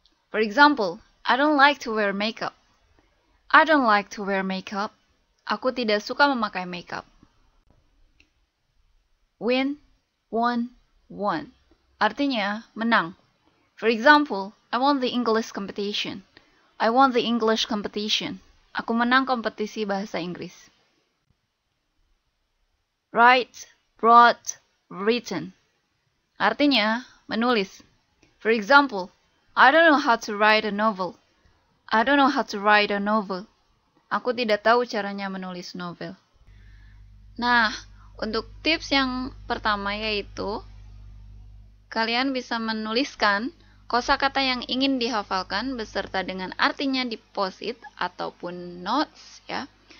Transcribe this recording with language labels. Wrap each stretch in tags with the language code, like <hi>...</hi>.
<en>For example, I don't like to wear makeup. I don't like to wear makeup.</en> <id>Aku tidak suka memakai makeup.</id> <en>Win, won, won.</en> <id>Artinya, menang.</id> <en>For example, I won the English competition. I won the English competition.</en> <id>Aku menang kompetisi bahasa Inggris.</id> <en>Write, brought, written.</en> <id>Artinya, menulis.</id> <en>For example, I don't know how to write a novel. I don't know how to write a novel.</en> <id>Aku tidak tahu caranya menulis novel. Nah, untuk tips yang pertama yaitu, kalian bisa menuliskan kosakata yang ingin dihafalkan beserta dengan artinya di post-it ataupun notes ya.</id>